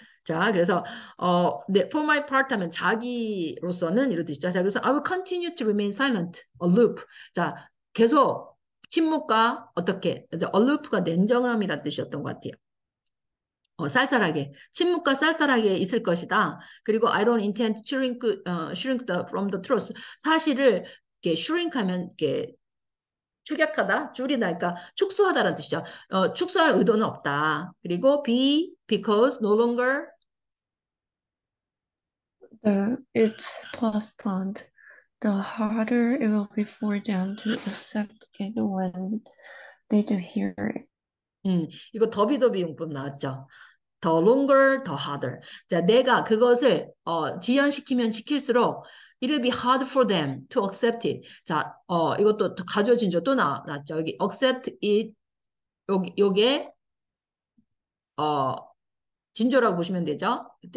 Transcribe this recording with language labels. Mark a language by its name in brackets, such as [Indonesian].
[Korean] 자, 그래서 [English] for my part [Korean] 하면 자기로서는 이런 뜻이죠. 자, 그래서 [English] I will continue to remain silent, aloof. [Korean] 자, 계속 침묵과 어떻게? 이제 aloof가 냉정함이라는 뜻이었던 것 같아요. 쌀쌀하게 침묵과 쌀쌀하게 있을 것이다. [English] 그리고 I don't intend to shrink from the truth. [Korean] 사실을 이렇게 shrink하면 이렇게 축약하다, 줄이다, 그러니까 축소하다라는 뜻이죠. 축소할 의도는 없다. 그리고 [English] because no longer It's postponed. The harder it will be for them to accept it when they do hear it. [Korean] 이거 더비더비 용법 나왔죠. [English] The longer, the harder. [Korean] 자, 내가 그것을 지연시키면 시킬수록 [English] it'll be hard for them to accept it. [Korean] 자, 이것도 가져진 적또 나왔죠. 여기 accept it 요게 진조라고 보시면 되죠.